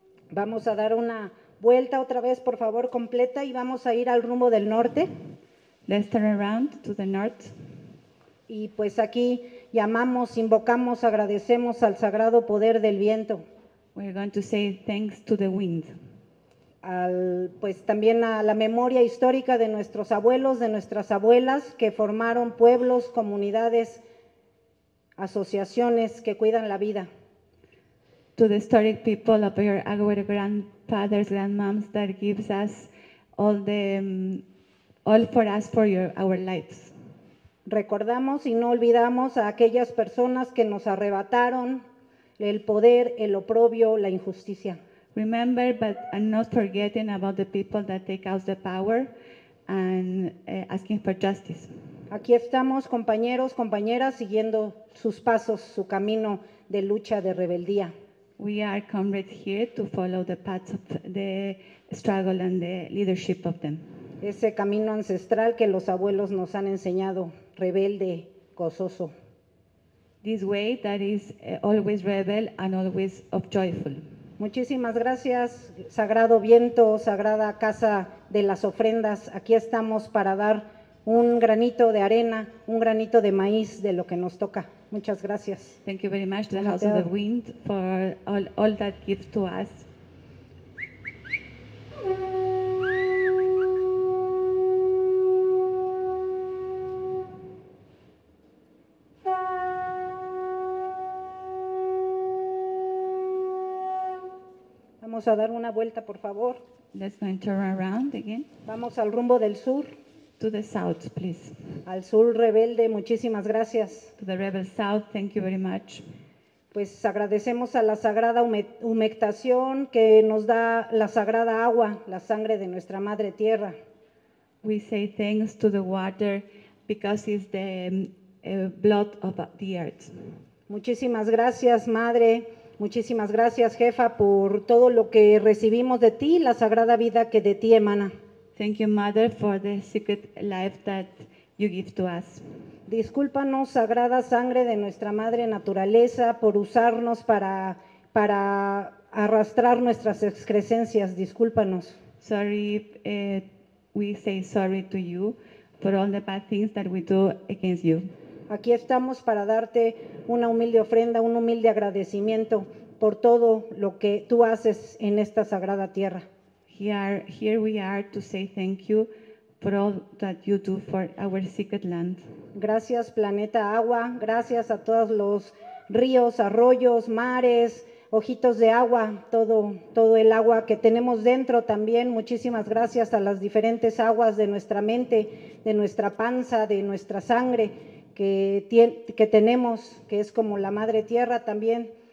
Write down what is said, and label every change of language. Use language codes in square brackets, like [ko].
[es] Vamos a dar una vuelta otra vez, por favor, completa, y vamos a ir al rumbo del norte. [en] Let's turn around to the north. [es] Y pues aquí llamamos, invocamos, agradecemos al sagrado poder del viento. [en] We're going to say thanks to the wind. [es] Pues también a la memoria histórica de nuestros abuelos, de nuestras abuelas, que formaron pueblos, comunidades, asociaciones que cuidan la vida. [en] To the historic people of our grandfathers, grandmoms, that gives us all the all for us for your, our lives. [es] Recordamos y no olvidamos a aquellas personas que nos arrebataron el poder, el oprobio, la injusticia. [en] Remember, but I'm not forgetting about the people that take out the power and asking for justice. [es] Aquí estamos, compañeros, compañeras, siguiendo sus pasos, su camino de lucha, de rebeldía. [en] We are comrades here to follow the path of the struggle and the leadership of them. [es] Ese camino ancestral que los abuelos nos han enseñado, rebelde, gozoso. [en] This way that is always rebel and always of joyful. [es] Muchísimas gracias, sagrado viento, sagrada casa de las ofrendas. Aquí estamos para dar un granito de arena, un granito de maíz de lo que nos toca. Muchas gracias. [en] Thank you very much to the House of the Wind for all that gives to us. [es] Vamos a dar una vuelta, por favor. [en] Let's go and turn around again. [es] Vamos al rumbo del sur. [en] To the south, please. [es] Al sur rebelde, muchísimas gracias. [en] To the rebel south, thank you very much. [es] Pues agradecemos a la sagrada humectación que nos da la sagrada agua, la sangre de nuestra madre tierra. [en] We say thanks to the water because it's the blood of the earth. [es] Muchísimas gracias, madre. Muchísimas gracias, jefa, por todo lo que recibimos de ti, la sagrada vida que de ti emana. [en] Thank you, mother, for the secret life that you give to us. [es] Discúlpanos, sagrada sangre de nuestra madre naturaleza, por usarnos para arrastrar nuestras excrescencias. Discúlpanos. [en] Sorry, we say sorry to you for all the bad things that we do against you. [es] Aquí estamos para darte una humilde ofrenda, un humilde agradecimiento por todo lo que tú haces en esta sagrada tierra. [en] Here we are to say thank you for all that you do for our sacred land. [es] Gracias, planeta agua. Gracias a todos los ríos, arroyos, mares, ojitos de agua, todo el agua que tenemos dentro también. Muchísimas gracias a las diferentes aguas de nuestra mente, de nuestra panza, de nuestra sangre. Que tenemos, que es como la madre tierra también.